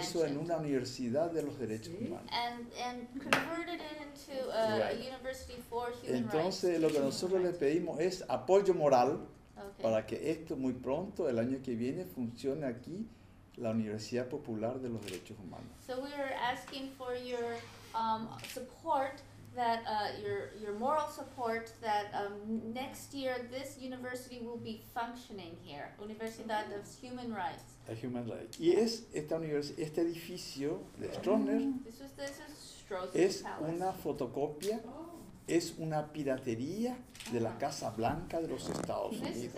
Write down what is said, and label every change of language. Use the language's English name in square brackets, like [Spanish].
[Spanish] eso en una universidad de los derechos humanos. [English] And converted it into a university for human rights. [Spanish] Entonces, lo que nosotros le pedimos es apoyo moral para que esto muy pronto, el año que viene, funcione aquí la Universidad Popular de los Derechos Humanos. [English] So we are asking for your support that your moral support that next year this university will be functioning here, Universidad of Human Rights. A human rights. [Spanish] Y es esta universidad, este edificio de Stroessner. [English] This is Stroessner. [Spanish] Es una fotocopia. Es una piratería de la Casa Blanca de los Estados Unidos.